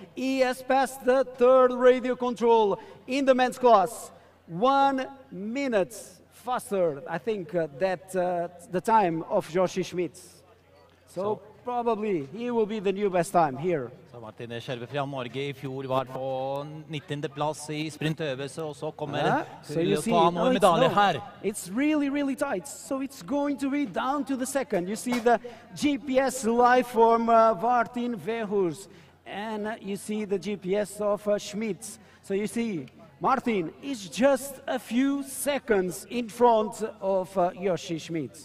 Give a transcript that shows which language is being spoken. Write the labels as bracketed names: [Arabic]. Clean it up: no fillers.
[English] He has passed the third radio control in the men's class. 1 minute. Faster, I think, that the time of Joshi Schmidt. So probably he will be the new best time here. [Norwegian] So Martin Skjerve fra Norge I fjor var på 19. plass I sprintøvelse, og så kommer [English] It's really, really tight. So it's going to be down to the second. You see the GPS live from Martin Vehus, and you see the GPS of Schmidt. So you see. Martin is just a few seconds in front of Joshi Schmidt.